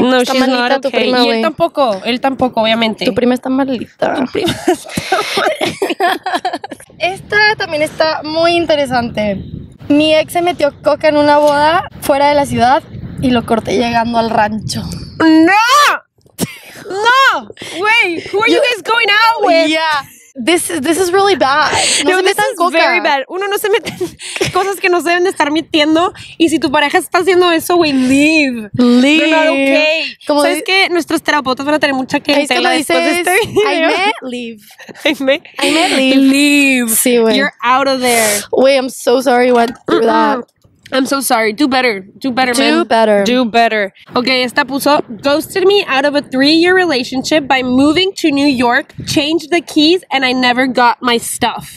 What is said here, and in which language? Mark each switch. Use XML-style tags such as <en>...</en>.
<es>No, está</es> <en>she's not okay.</en> <es>Tu prima, y él tampoco. Él tampoco, obviamente. Tu prima está malita. Tu prima está malita. Esta también está muy interesante. Mi ex se metió coca en una boda fuera de la ciudad y lo corté llegando al rancho. ¡No! ¡No! Güey,</es> <en>who are you guys going out with? Yeah. This is really bad.</en> <es>No, se metan coca.</es> <en>Very bad.</en> <es>Uno no se mete cosas que no se deben de estar metiendo. Y si tu pareja está haciendo eso, güey,</es> <en>leave. Leave.</en> <es>No, okay. ¿Sabes qué? Nuestros terapeutas van a tener mucha que entender después de este video.</es> <en>I meant leave.</en> <es>Sí, güey.</es> <en>You're out of there. Wait, I'm so sorry you went through that. I'm so sorry. Do better, man. Okay,</en> <es>esta puso,</es> <en>ghosted me out of a 3-year relationship by moving to New York, changed the keys, and I never got my stuff.</en>